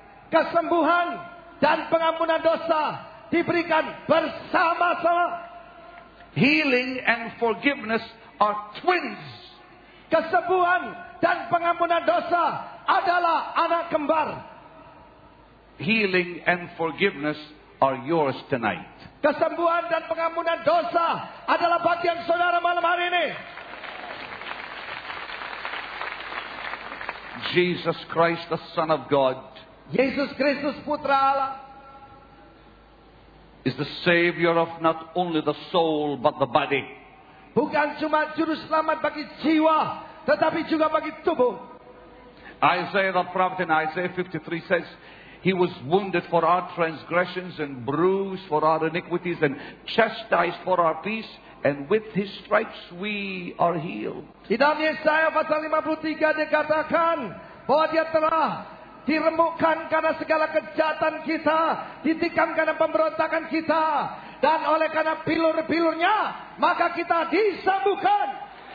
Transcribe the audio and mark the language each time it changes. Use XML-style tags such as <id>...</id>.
<id>Kesembuhan dan pengampunan dosa diberikan bersama-sama.</id> <en>Healing and forgiveness are twins.</en> <id>Kesembuhan dan pengampunan dosa adalah anak kembar.</id> <en>Healing and forgiveness are yours tonight.</en> <id>Kesembuhan dan pengampunan dosa adalah bagian saudara malam hari ini.</id> <en>Jesus Christ, the Son of God.</en> <id>Yesus Kristus, Putra Allah.</id> <en>Is the Savior of not only the soul but the body.</en> <id>Bukan cuma juru selamat bagi jiwa, tetapi juga bagi tubuh.</id> <en>Isaiah the prophet in Isaiah 53 says, He was wounded for our transgressions and bruised for our iniquities and chastised for our peace. And with His stripes we are healed.</en> <id>Di dalam Yesaya pasal 53 dikatakan bahwa Dia telah diremukkan karena segala kejahatan kita, ditikam karena pemberontakan kita, dan oleh karena pilur-pilurnya maka kita disembuhkan.</id>